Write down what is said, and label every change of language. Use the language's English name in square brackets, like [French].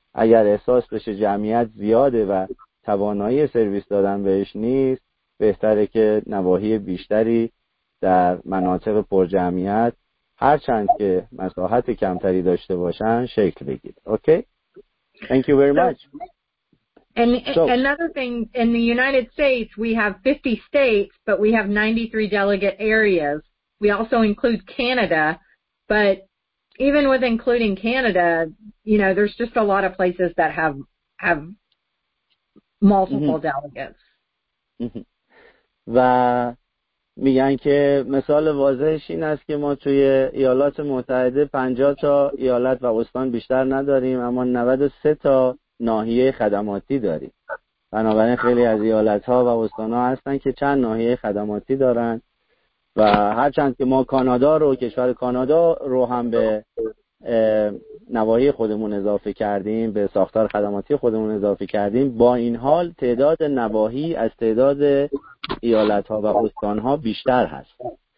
[Persian] اگر احساس بشه جمعیت زیاده و توانایی سرویس دادن بهش نیست، بهتره که نواحی بیشتری در مناطق پرجمعیت، هرچند که مساحت کمتری داشته باشن، شکل بگیره. [English] Okay? Thank you very much. And another thing, in the United States, we have 50 states, but we have 93 delegate areas. We also include Canada, but even with including Canada, you know, there's just a lot of places that have multiple mm-hmm. delegates. [Persian] و میگن که مثال واضحش این است که ما توی ایالات متحده 50 تا ایالت و استان بیشتر نداریم، اما 93 تا ناحیه خدماتی داریم. بنابراین خیلی از ایالت‌ها و استان‌ها هستن که چند ناحیه خدماتی دارن، و هرچند که ما کانادا رو، کشور کانادا رو هم به نواحی خودمون اضافه کردیم، به ساختار خدماتی خودمون اضافه کردیم، با این حال تعداد نواحی از تعداد ایالت‌ها و استان‌ها بیشتر هست.